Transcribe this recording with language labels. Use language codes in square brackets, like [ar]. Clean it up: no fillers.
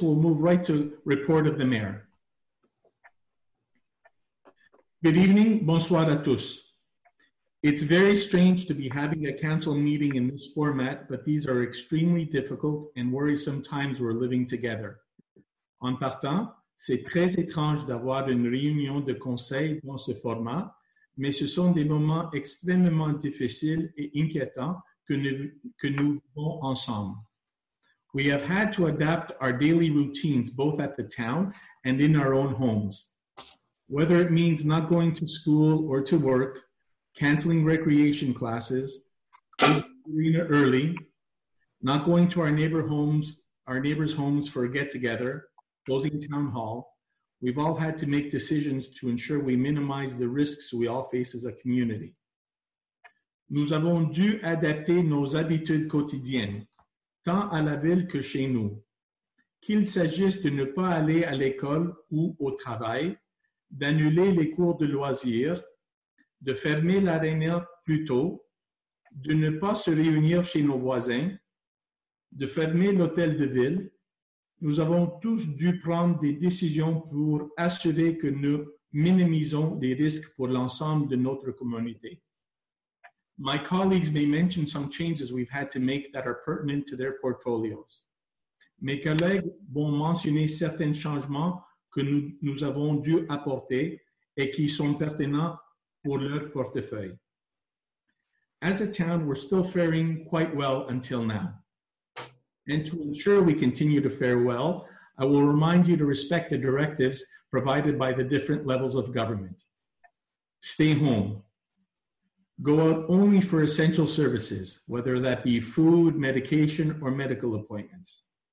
[en] We'll move right to report of the mayor. Good evening, [fr] bonsoir à tous. [en] It's very strange to be having a council meeting in this format, but these are extremely difficult and worrisome times we're living together. [fr] En partant, c'est très étrange d'avoir une réunion de conseil dans ce format, mais ce sont des moments extrêmement difficiles et inquiétants que nous vivons ensemble. [en] We have had to adapt our daily routines both at the town and in our own homes. Whether it means not going to school or to work, canceling recreation classes, arena early, not going to our neighbors' homes for a get-together, closing town hall, we've all had to make decisions to ensure we minimize the risks we all face as a community. [fr] Nous avons dû adapter nos habitudes quotidiennes, tant à la ville que chez nous. Qu'il s'agisse de ne pas aller à l'école ou au travail, d'annuler les cours de loisirs, de fermer l'aréna plus tôt, de ne pas se réunir chez nos voisins, de fermer l'hôtel de ville, nous avons tous dû prendre des décisions pour assurer que nous minimisons les risques pour l'ensemble de notre communauté. [en] My colleagues may mention some changes we've had to make that are pertinent to their portfolios. [fr] Mes collègues vont mentionner certains changements que nous avons dû apporter et qui sont pertinents pour leur portefeuille. [en] As a town, we're still faring quite well until now. And to ensure we continue to fare well, I will remind you to respect the directives provided by the different levels of government. Stay home. Go out only for essential services, whether that be food, medication, or medical appointments.